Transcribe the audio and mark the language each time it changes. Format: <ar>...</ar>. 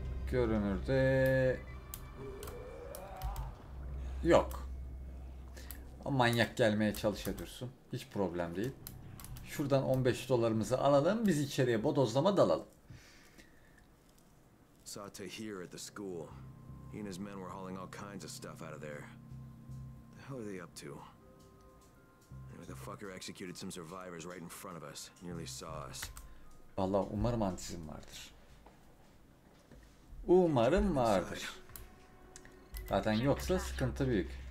<tr>görünürde... Yok. O manyak gelmeye çalışa dursun. Hiç problem değil. Şuradan 15 dolarımızı alalım, biz içeriye bodozlama dalalım.</tr> <en>Saw Tahir at the school. He and his men were hauling all kinds of stuff out of there. The hell are they up to? Anyway, the fucker executed some survivors right in front of us. Nearly saw us.</en> <tr>Vallahi umarım antizm vardır. Umarım vardır. Zaten yoksa sıkıntı büyük.</tr>